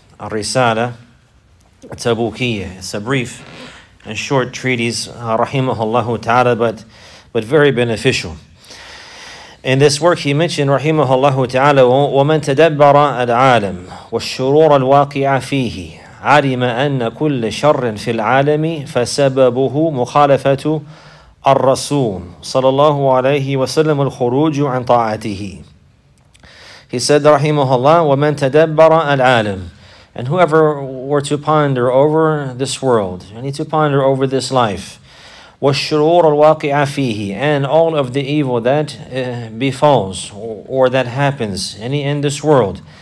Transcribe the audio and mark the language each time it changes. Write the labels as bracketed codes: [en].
[en] Al-Risala At-Tabukiyya. It's a brief and short treatise, rahimahullahu ta'ala, but very beneficial. In this work, he mentioned, [ar] rahimahullahu ta'ala, وَمَنْ تَدَبَّرَ الْعَالَمِ وَالشُّرُورَ الْوَاقِعَ فِيهِ علم أن كل شر في العالم فسببه مخالفة الرسول صلى الله عليه وسلم الخروج عن طاعته. [en] He said, Rahimahullah, [ar] وَمَنْ تَدَبَّرَ الْعَالَمِ. [en] And whoever were to ponder over this world, you need to ponder over this life, [ar] وَالشُّرُورَ الْوَاقِعَ فِيهِ, [en] and all of the evil that befalls or that happens in this world.